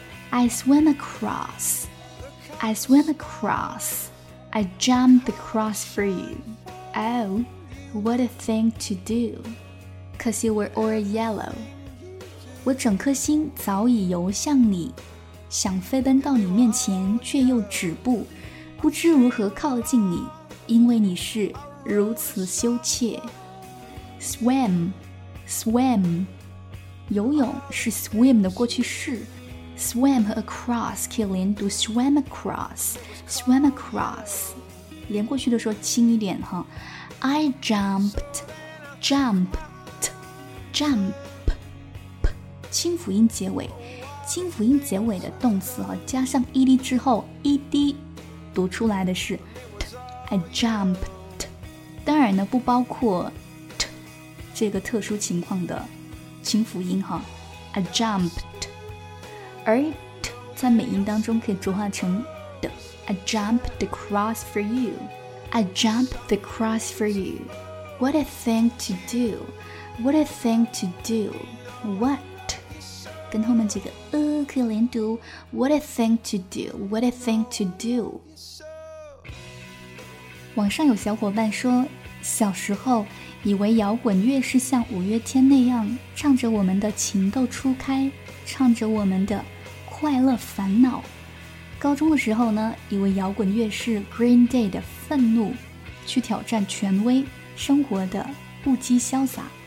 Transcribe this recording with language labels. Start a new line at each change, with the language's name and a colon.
English: I swam across, I swam across, I jumped across for you. Oh, what a thing to do, 'cause you were all yellow.
Chinese: 我整颗心早已游向你，想飞奔到你面前却又止步，不知如何靠近你，因为你是如此羞怯。 Swam Swam 游泳是 swim 的过去式。
English: Swam across
Chinese: 可以连读
English: swam across swam across，
Chinese: 连过去的时候轻一点哈。
English: I jumped
Chinese: jumped jump， 轻辅音结尾，轻辅音结尾的动词哈，加上 ed 之后 ed 读出来的是 t， I jumped， 当然呢不包括这个特殊情况的轻辅音哈， I jumped，而 t 在美音当中可以浊化成 d，
English: I jumped the cross for you， I jumped the cross for you， What a thing to do， What a thing to do， What 跟后面这个可以连读， What a thing to do， What a thing to do。
Chinese: 网上有小伙伴说，小时候以为摇滚乐是像五月天那样唱着我们的情窦初开，唱着我们的快乐烦恼，高中的时候呢以为摇滚乐是 Green Day 的愤怒，去挑战权威，生活的不羁潇洒，